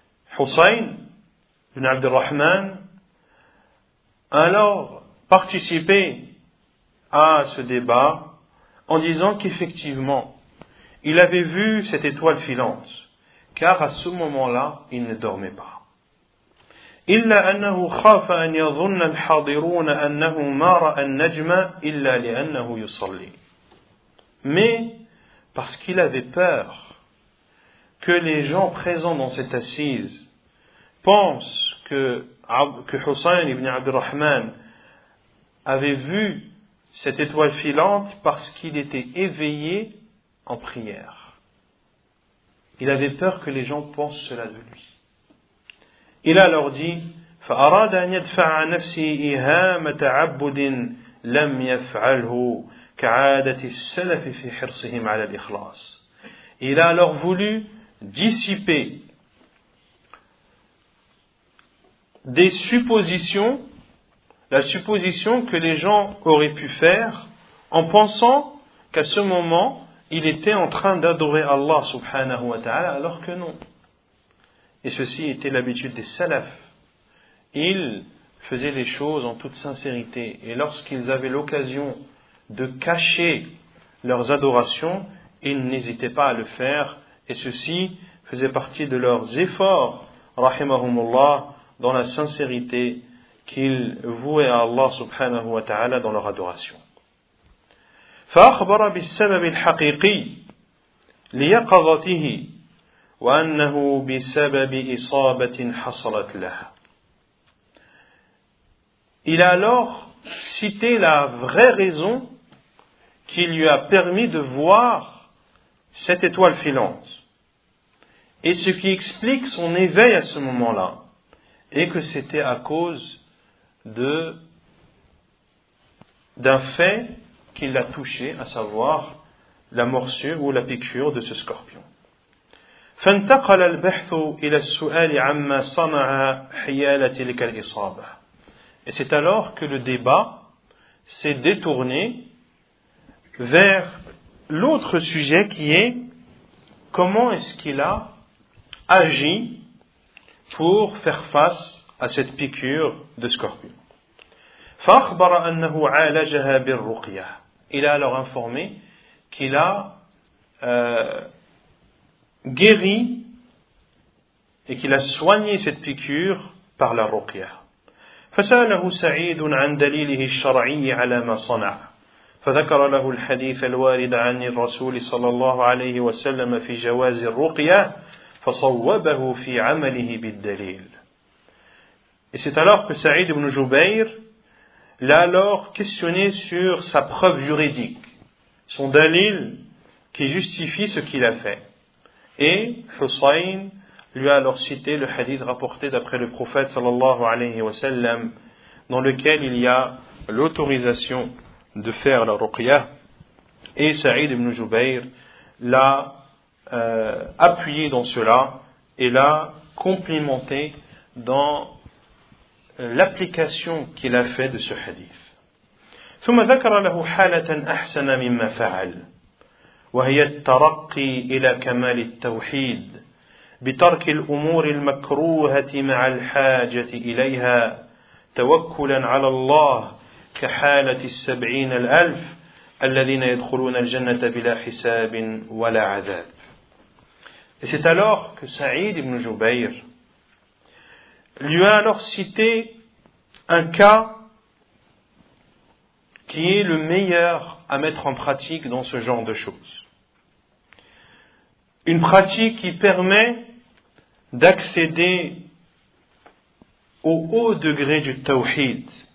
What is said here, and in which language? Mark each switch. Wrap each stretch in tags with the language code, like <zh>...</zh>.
<fr>حسين بن عبد الرحمن alors participé à ce débat en disant qu'effectivement il avait vu cette étoile filante car à ce moment-là il ne dormait pas.</fr> <ar>إلا أنه خاف أن يظن الحاضرون أنه ما رأى النجم إلا لأنه يصلي.</ar> <fr>Mais parce qu'il avait peur que les gens présents dans cette assise pensent que Hussein ibn Abd al-Rahman avait vu cette étoile filante parce qu'il était éveillé en prière. Il avait peur que les gens pensent cela de lui. Il a alors dit,</fr> <ar>فأراد أن يدفع عن نفسه إهام تعبد لم يفعله كعادة السلف في حرصهم على الإخلاص.</ar> <fr>Il a alors voulu dissiper des suppositions, la supposition que les gens auraient pu faire en pensant qu'à ce moment, il était en train d'adorer Allah subhanahu wa ta'ala, alors que non. Et ceci était l'habitude des salafs. Ils faisaient les choses en toute sincérité. Et lorsqu'ils avaient l'occasion de cacher leurs adorations, ils n'hésitaient pas à le faire. Et ceci faisait partie de leurs efforts, rahimahumullah, dans la sincérité qu'ils vouaient à Allah subhanahu wa ta'ala dans leur adoration.</fr> <ar>فأخبر بالسبب الحقيقي ليقظته وأنه بسبب إصابة حصلت له.</ar> <fr>Il a alors cité la vraie raison qui lui a permis de voir cette étoile filante et ce qui explique son éveil à ce moment-là. Et que c'était à cause d'un fait qui l'a touché, à savoir la morsure ou la piqûre de ce scorpion.</fr> <ar>فانتقل البحث إلى السؤال عما صنع حيال تلك الإصابة.</ar> <fr>Et c'est alors que le débat s'est détourné vers l'autre sujet qui est comment est-ce qu'il a agi pour faire face à cette piqûre de scorpion.</fr> <ar>فأخبر أنه عالجها بالرقية.</ar> <fr>Il a alors informé qu'il a guéri et qu'il a soigné cette piqûre par la ruqya.</fr> <ar>فسأله سعيد عن دليله الشرعي على ما صنع. فذكر له الحديث الوارد عن الرسول صلى الله عليه وسلم في جواز الرقية فصوبه في عمله بالدليل.</ar> <fr>Et c'est alors que Saïd ibn Jubayr l'a alors questionné sur sa preuve juridique, son dalil qui justifie ce qu'il a fait. Et Hussein lui a alors cité le hadith rapporté d'après le prophète sallallahu alayhi wa sallam, dans lequel il y a l'autorisation de faire la ruqya. Et Saïd ibn Jubayr l'a appuyé dans cela et l'a complimenté dans l'application qu'il a fait de ce hadith.</fr> <ar>ثم ذكر له حالة أحسن مما فعل. وهي الترقي إلى كمال التوحيد بترك الأمور المكروهة مع الحاجة إليها توكلا على الله كحالة السبعين الألف الذين يدخلون الجنة بلا حساب ولا عذاب.</ar> <fr>Et c'est alors que Saïd ibn Jubayr lui a alors cité un cas qui est le meilleur à mettre en pratique dans ce genre de choses. Une pratique qui permet d'accéder au haut degré du tawhid.</fr>